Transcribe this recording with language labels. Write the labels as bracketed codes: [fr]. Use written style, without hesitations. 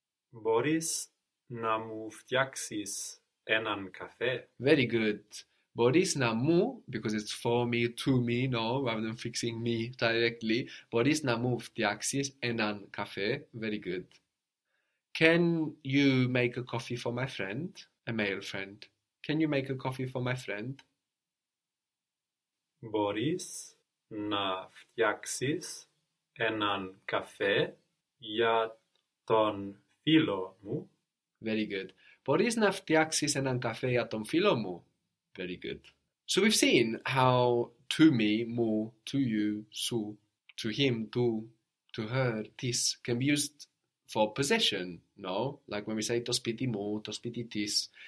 [el] Μπορείς να μου φτιάξεις έναν καφέ. [en] Very good. [el] Μπορείς να μου, [en] because it's for me, to me, no, rather than fixing me directly. [el] Μπορείς να μου φτιάξεις έναν καφέ. [en] Very good. Can you make a coffee for my friend? A male friend. Can you make a coffee for my friend? [el] Μπορείς να φτιάξεις έναν καφέ για τον φίλο μου. [en] Very good. [el] Μπορείς να φτιάξεις έναν καφέ για τον φίλο μου. [en] Very good. So we've seen how to me, μου, to you, σου, to him, to her, this can be used for possession, no? Like when we say [el] το σπίτι μου, το σπίτι της.